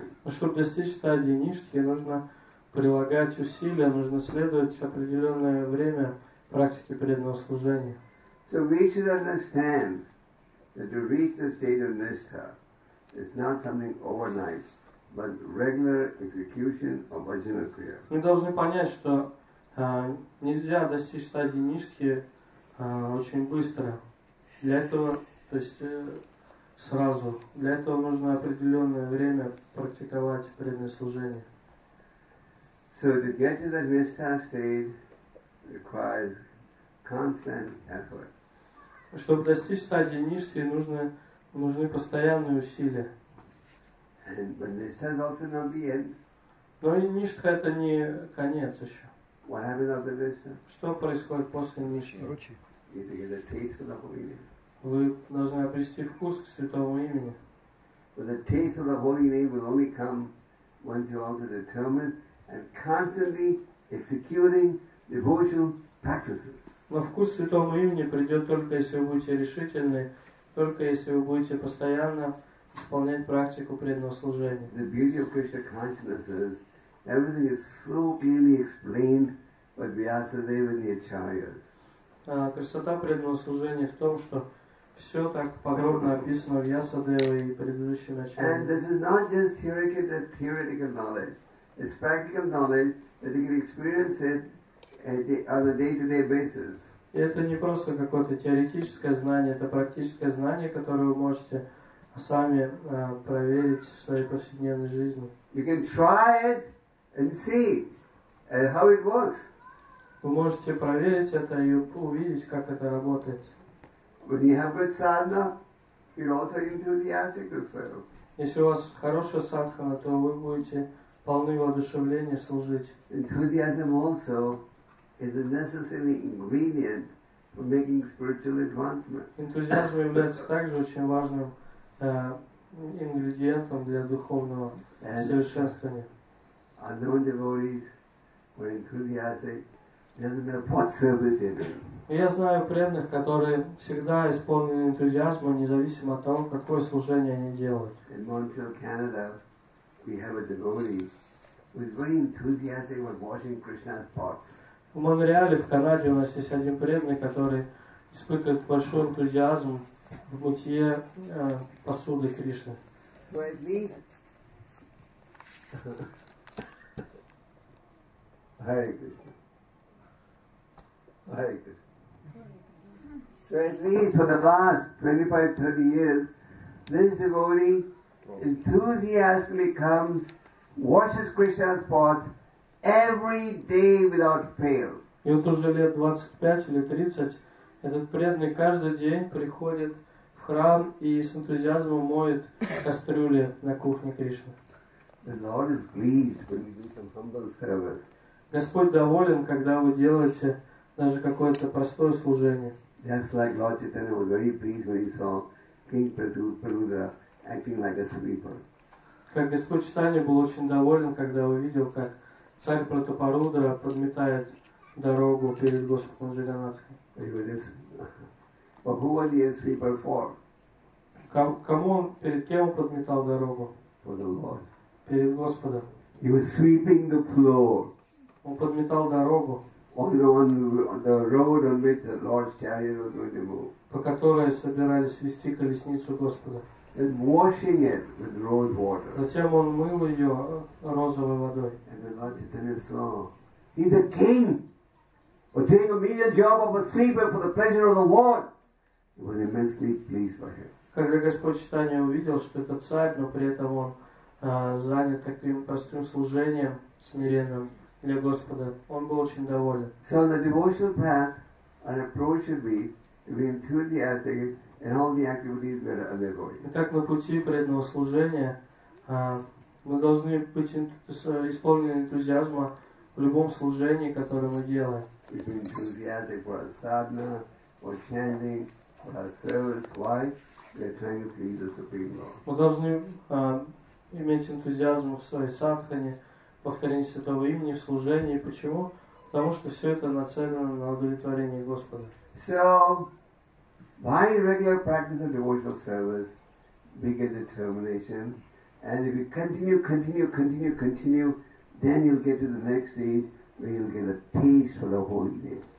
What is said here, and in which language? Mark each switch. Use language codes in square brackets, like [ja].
[ru] Чтобы достичь стадии ништхи, нужно прилагать усилия, нужно следовать определенное время практике преданного служения. [en] So we should understand that to reach the state of ништха, it's not something overnight, but regular execution of bhajana kriya. [ru] Мы должны понять, что нельзя достичь стадии ништхи очень быстро. Для этого, то есть сразу. Для этого нужно определенное время практиковать преданное служение. [en] So to get to that nishtha state requires constant effort. [ru] Чтобы достичь стадии ништхи, нужны постоянные усилия. [en] And but nishtha is also not the end. [ru] Но и ништха это не конец еще. [en] What happens after nishtha? [ru] Что происходит после ништхи? [en] You have to get a taste of the holy name. [ru] Вы должны обрести вкус к святому имени. [en] But the taste of the holy name will only come once you're also determined and constantly executing devotional practices. [ru] Но вкус святому имени придет только если вы будете решительны. Только если вы будете постоянно исполнять практику преданного служения. [en] The beauty of Krishna consciousness is everything is so clearly explained by Vyasadeva and the Acharyas. [ru] Красота преданного служения в том, что все так подробно описано в Ясадеве и предыдущем начале. [en] And this is not just theoretical knowledge. It's practical knowledge that you can experience it on a day-to-day basis. [ru] И это не просто какое-то теоретическое знание, это практическое знание, которое вы можете сами проверить в своей повседневной жизни. [en] You can try it and see how it works. [ru] Вы можете проверить это и увидеть, как это работает. [en] When you have good sadhana, you're also enthusiastic yourself. [ru] Если у вас хорошая садхана, то вы будете полны воодушевления служить. [en] Enthusiasm also is a necessary ingredient for making spiritual advancement. [ru] Энтузиазм является также очень важным ингредиентом для духовного совершенствования. [en] Unknown devotees were enthusiastic. [ru] Я знаю преданных, которые всегда исполнены энтузиазмом, независимо от того, какое служение они делают. [en] In Montreal, Canada, we have a devotee who is very enthusiastic about washing Krishna's pots. [ru] В Монреале, в Канаде, у нас есть один преданный, который испытывает большой энтузиазм в мытье посуды Кришны. [en] So at least for the last 25-30 years, this devotee enthusiastically comes, washes Krishna's pots every day without fail. [ru] И вот уже лет 25 или 30 этот преданный каждый день приходит в храм и с энтузиазмом моет кастрюли на кухне Кришны. [en] The Lord is pleased when you do some humble service. [ru] Господь доволен, когда вы делаете даже какое-то простое служение. [en] Just like Lord Chaitanya was very pleased when he saw King Prabhupada acting like a sweeper. [ru] Как Господь Читания был очень доволен, когда увидел, как царь Пратапарудра подметает дорогу перед Господом Джаганатхом. [en] But who was he a sweeper for? [ru] Кому он, перед кем он подметал дорогу? [en] For the Lord. [ru] Перед Господом. [en] He was sweeping the floor. [ru] Он подметал дорогу. [en] On the road on which the Lord's chariot was going to move. [ru] По которой собирались вести колесницу Господа. [en] And washing it with rose water. [ru] Затем он мыл ее розовой водой. [en] And the Lord Chaitanya saw, he's a king, but doing a menial job of a sleeper for the pleasure of the Lord. He was immensely pleased by him. [ru] Когда Господь Читания увидел, что это царь, но при этом он занят таким простым служением смиренным для Господа, он был очень доволен. [en] So on the devotional path, an approach should be to be enthusiastic. And all the activities that are undergoing. [ru] Итак, на пути преданного служения мы должны быть исполнены энтузиазма в любом служении, которое мы делаем. [en] We should be enthusiastic for sadhana, for chanting, for our service. Why? We are trying to please the Supreme Lord. [ru] Мы должны иметь энтузиазм в своей садхане, повторении святого имени, в служении. Почему? Потому что все это нацелено на удовлетворение Господа. [en] By regular practice of devotional service, we get determination, and if you continue, then you'll get to the next stage where you'll get a peace for the whole day.